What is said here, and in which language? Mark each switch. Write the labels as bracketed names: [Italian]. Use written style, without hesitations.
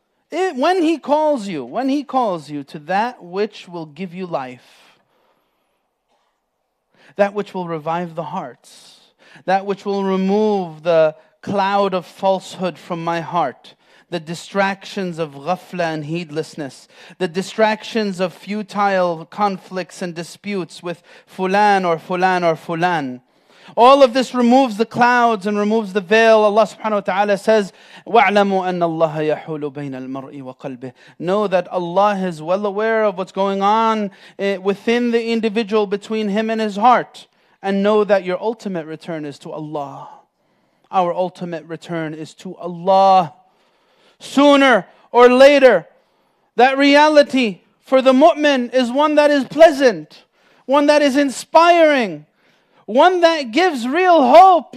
[English] When He calls you to that which will give you life, that which will revive the hearts, that which will remove the cloud of falsehood from my heart, the distractions of ghafla and heedlessness, the distractions of futile conflicts and disputes with fulan or fulan or fulan. All of this removes the clouds and removes the veil. Allah subhanahu wa ta'ala says, [Arabic] وَاعْلَمُوا أَنَّ اللَّهَ يَحُولُ بَيْنَ الْمَرْءِ وَقَلْبِهِ. [English] Know that Allah is well aware of what's going on within the individual, between him and his heart. And know that your ultimate return is to Allah. Our ultimate return is to Allah. Sooner or later, that reality for the mu'min is one that is pleasant, one that is inspiring, one that gives real hope.